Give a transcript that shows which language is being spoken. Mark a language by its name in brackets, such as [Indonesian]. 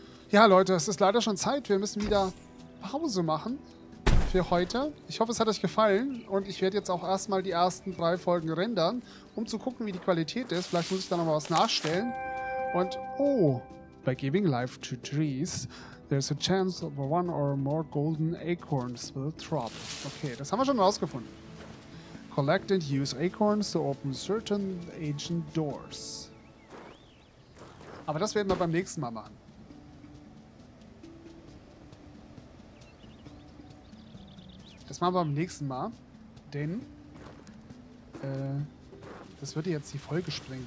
[German] Ja, Leute, es ist leider schon Zeit. Wir müssen wieder Pause machen für heute. Ich hoffe, es hat euch gefallen. Und ich werde jetzt auch erstmal die ersten 3 Folgen rendern, um zu gucken, wie die Qualität ist. Vielleicht muss ich da nochmal was nachstellen. Und, oh, [English] by giving life to trees, there's a chance that one or more golden acorns will drop. [German] Okay, das haben wir schon rausgefunden. [English] Collect and use acorns to open certain ancient doors. [German] Aber das werden wir beim nächsten Mal machen. Das machen wir beim nächsten Mal, denn das würde jetzt die Folge sprengen.